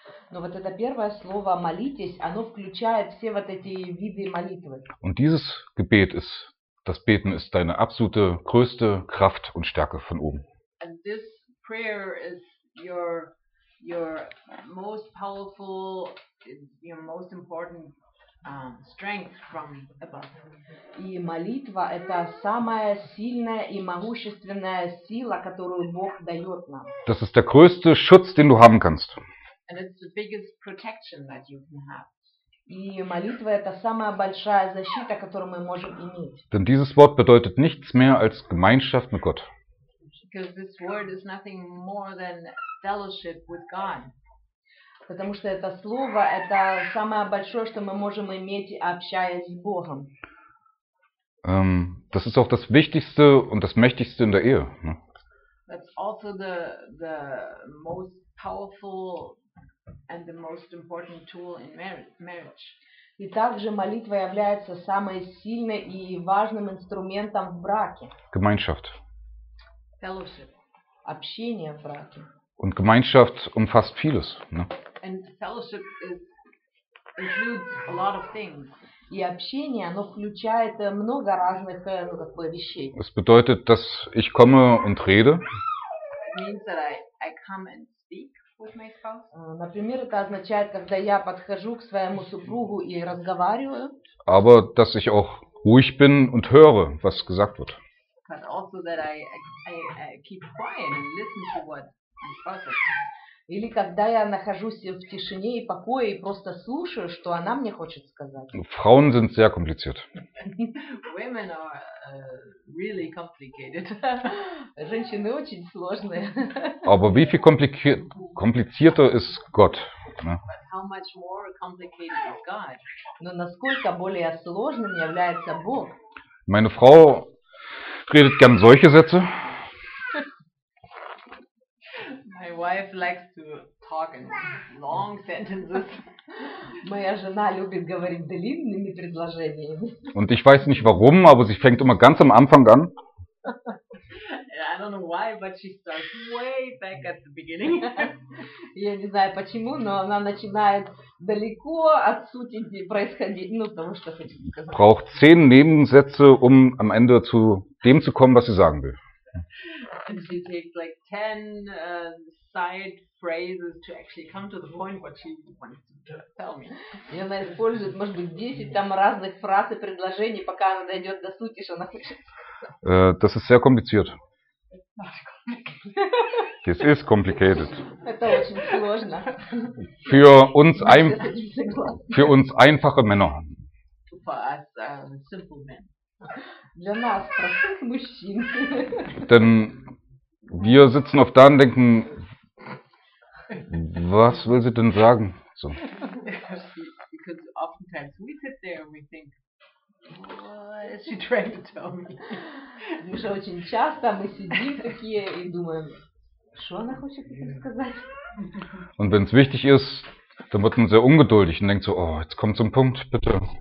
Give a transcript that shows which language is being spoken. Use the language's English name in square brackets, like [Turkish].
[Russian] Но вот это первое слово «молитесь», оно включает все вот эти виды молитвы. [German] Und dieses Gebet ist das Beten ist deine absolute größte Kraft und Stärke von oben. [English] And this prayer is your most powerful, your most important strength from above. [Russian] И молитва – это самая сильная и могущественная сила, которую Бог дает нам. [German] Das ist der größte Schutz, den du haben kannst. [English] And it's the biggest protection that you can have. [Russian] И молитва – это самая большая защита, которую мы можем иметь. [German] Denn dieses Wort bedeutet nichts mehr als Gemeinschaft mit Gott. [English] Because this word is nothing more than fellowship with God. [Russian] Потому что это слово это самое большое, что мы можем иметь, общаясь с Богом. [German] Das ist auch das Wichtigste und das Mächtigste in der Ehe. Ne? [English] That's also the most powerful and the most important tool in marriage. [Russian] И также молитва является самой сильной и важным инструментом в браке. [German] Gemeinschaft. [English] Fellowship. [Russian] Общение в браке. [German] Und Gemeinschaft umfasst vieles. Ne? [English] And fellowship includes a lot of things. [Russian] И общение, оно включает много разных, ну, как бы, вещей. [German] Das bedeutet, dass ich komme und rede. [English] It means that I come and speak with my spouse. [Russian] Например, это означает, когда я подхожу к своему супругу и разговариваю. [German] Aber dass ich auch ruhig bin und höre, was gesagt wird. [English] But also that I keep quiet and listen to what my spouse says. [Russian] Или когда я нахожусь в тишине и покое и просто слушаю, что она мне хочет сказать. [German] Frauen sind sehr kompliziert. [English] Women are really complicated. [Russian] Женщины очень сложные. [German] Aber wie viel komplizierter ist Gott? [English] But how much more complicated is God? [Russian] Но насколько более сложным является Бог? [German] Meine Frau redet gern solche Sätze. [English] My wife likes to talk in long sentences. [Russian] Моя жена любит говорить длинными предложениями. [German] Und ich weiß nicht warum, aber sie fängt immer ganz am Anfang an. [English] I don't know why, but she starts way back at the beginning. [Russian] Я не знаю почему, но она начинает далеко от сути происходить, ну, потому что хочет сказать. [German] Braucht 10 Nebensätze, um am Ende zu dem zu kommen, was sie sagen will. [English] And she takes like 10 side phrases to actually come to the point what she wants to tell me. [Russian] И она использует, может быть, 10 там разных фраз и предложений, пока она дойдет до сути, что она хочет. [German] Das ist sehr kompliziert. [English] It's not complicated. [Russian] Это очень сложно. [German] Für uns einfache Männer. [English] For us simple men. [Russian] Для нас, простых мужчин. [German] Denn wir sitzen oft da und denken, was will sie denn sagen? So. [English] Because oftentimes we sit there and we think, what is she trying to tell me? [Russian] Потому что очень часто мы сидим такие и думаем, что она хочет сказать? [German] Und wenn es wichtig ist, dann wird man sehr ungeduldig und denkt so, oh, jetzt kommt zum Punkt, bitte.